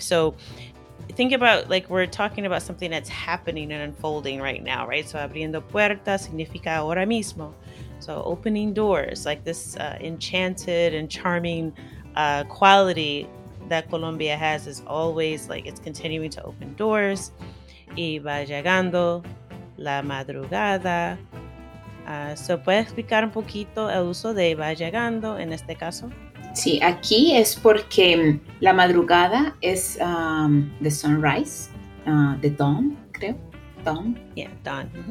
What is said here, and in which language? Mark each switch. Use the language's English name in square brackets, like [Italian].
[English] So, think about, like, we're talking about something that's happening and unfolding right now, right? [Spanish] So, abriendo puertas significa ahora mismo. [English] So, opening doors, like this enchanted and charming quality that Colombia has is always, like, it's continuing to open doors. [Spanish] Y va llegando la madrugada. So, ¿puedes explicar un poquito el uso de va llegando en este caso? Sí, aquí es porque la madrugada es [English] the sunrise, the dawn, [Spanish] creo. [English] Dawn. Yeah, dawn.